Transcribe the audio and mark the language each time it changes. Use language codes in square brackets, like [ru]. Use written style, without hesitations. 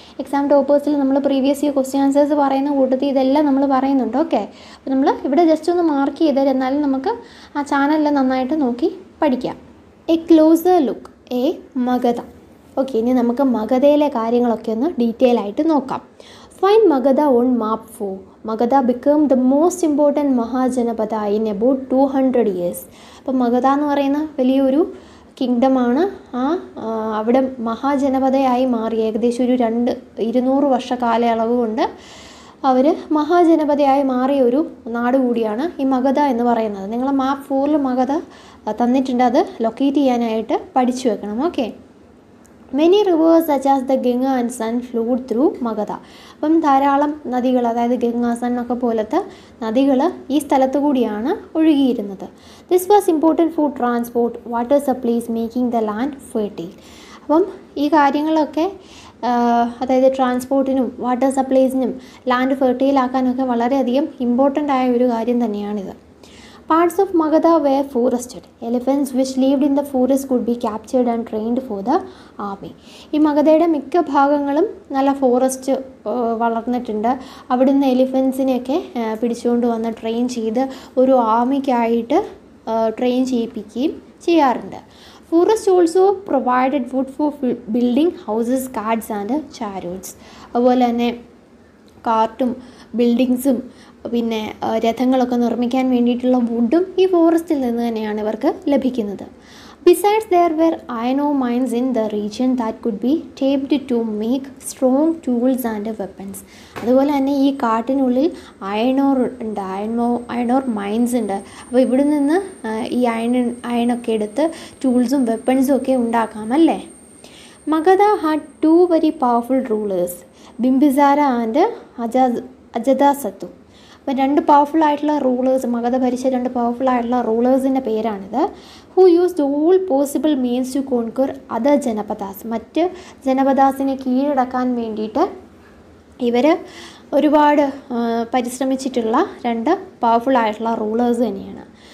[ml] Exam ടോപ്പേഴ്സിൽ നമ്മൾ previous year question answers പറയുന്ന കൂട്ടത്തിൽ ഇതെല്ലാം നമ്മൾ പറയുന്നുണ്ട്. ഓക്കെ, അപ്പോൾ നമ്മൾ ഇവിടെ ജസ്റ്റ് ഒന്ന് മാർക്ക് ചെയ്തേരെ, എന്നാലും നമുക്ക് ആ ചാനലിൽ നന്നായിട്ട് നോക്കി പഠിക്കാം. [en] A closer look a Magadha. [ml] Okay, ഇനി നമുക്ക് മഗധയിലെ കാര്യങ്ങളൊക്കെ ഒന്ന് ഡീറ്റെയിൽ ആയിട്ട് നോക്കാം. [en] Find Magadha on map 4. Magadha became the most important Mahajanapada in about 200 years. [ml] അപ്പോൾ മഗധ എന്ന് പറയുന്ന വലിയൊരു കിങ്ഡമാണ് ആ അവിടെ മഹാജനപദയായി മാറി. ഏകദേശം ഒരു 200 വർഷ കാലയളവ് കൊണ്ട് അവർ മഹാജനപദയായി മാറിയ ഒരു നാടുകൂടിയാണ് ഈ മഗധ എന്ന് പറയുന്നത്. നിങ്ങൾ മാപ്പ് 4 മഗധ തന്നിട്ടുണ്ട്, അത് ലൊക്കേറ്റ് ചെയ്യാനായിട്ട് പഠിച്ചു വെക്കണം. [en] Okay, many rivers such as the Ganga and Son flowed through Magadha. [ml] അപ്പം ധാരാളം നദികൾ, അതായത് ഗംഗ സൺ ഒക്കെ പോലത്തെ നദികൾ ഈ സ്ഥലത്ത് കൂടിയാണ് ഒഴുകിയിരുന്നത്. [en] This was important for transport water supplies making the land fertile. [ml] അപ്പം ഈ കാര്യങ്ങളൊക്കെ, അതായത് ട്രാൻസ്പോർട്ടിനും വാട്ടർ സപ്ലൈസിനും ലാൻഡ് ഫെർട്ടൈൽ ആക്കാനൊക്കെ വളരെയധികം ഇമ്പോർട്ടൻ്റ് ആയ ഒരു കാര്യം തന്നെയാണിത്. [en] Parts of Magadha were forested. Elephants which lived in the forest could be captured and trained for the army. [ml] ഈ മഗധയുടെ മിക്ക ഭാഗങ്ങളും നല്ല ഫോറസ്റ്റ് വളർന്നിട്ടുണ്ട്. അവിടുന്ന് എലിഫൻസിനെയൊക്കെ പിടിച്ചുകൊണ്ട് വന്ന് ട്രെയിൻ ചെയ്ത് ഒരു ആർമിക്കായിട്ട് ട്രെയിൻ ചെയ്യിപ്പിക്കുകയും ചെയ്യാറുണ്ട്. [en] Forest also provided wood for building houses, carts and chariots. [ml] അതുപോലെ തന്നെ കാർട്ടും ബിൽഡിങ്സും പിന്നെ രഥങ്ങളൊക്കെ നിർമ്മിക്കാൻ വേണ്ടിയിട്ടുള്ള വുഡും ഈ ഫോറസ്റ്റിൽ നിന്ന് തന്നെയാണ് ഇവർക്ക് ലഭിക്കുന്നത്. [en] Besides there were iron mines in the region that could be tapped to make strong tools and weapons. [ml] അതുപോലെ തന്നെ ഈ കാട്ടിനുള്ളിൽ അയനോർ ഉണ്ട്, അയനോർ മൈൻസ് ഉണ്ട്. അപ്പോൾ ഇവിടെ നിന്ന് ഈ അയണൊക്കെ എടുത്ത് ടൂൾസും വെപ്പൻസും ഒക്കെ ഉണ്ടാക്കാം അല്ലേ. [en] Magadha had two very powerful rulers, Bimbisara and Ajatasattu. [ml] അപ്പം രണ്ട് പവർഫുൾ ആയിട്ടുള്ള റൂളേഴ്സ്, മഗധ ഭരിച്ച രണ്ട് പവർഫുൾ ആയിട്ടുള്ള റൂളേഴ്സിൻ്റെ പേരാണിത്. [en] who used all possible means to conquer other janapadas, [ml] മറ്റ് ജനപദാസിനെ കീഴടക്കാൻ വേണ്ടിയിട്ട് ഇവർ ഒരുപാട് പരിശ്രമിച്ചിട്ടുള്ള രണ്ട് പവർഫുൾ ആയിട്ടുള്ള റൂളേഴ്സ് തന്നെയാണ്.